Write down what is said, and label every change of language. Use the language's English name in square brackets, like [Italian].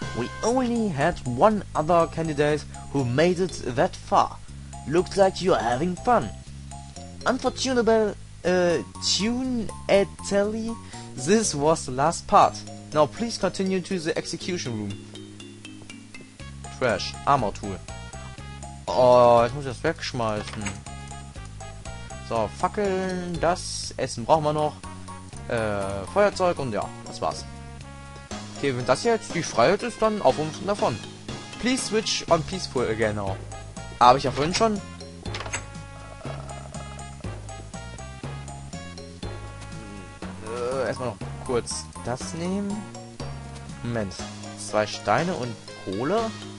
[English] We only had one other candidate who made it that far. Looks like you're having fun. Unfortunately... Tune Atelli, this was the last part. Now please continue to the execution room. Trash, Armor Tool. [German] Oh, jetzt muss ich das wegschmeißen. So, Fackeln, das Essen brauchen wir noch. Feuerzeug und ja, das war's. Okay, wenn das jetzt die Freiheit ist, dann auf und davon. [English] Please switch on peaceful again now. [German] Habe ich ja vorhin schon. Erstmal noch kurz das nehmen. Moment. Zwei Steine und Kohle.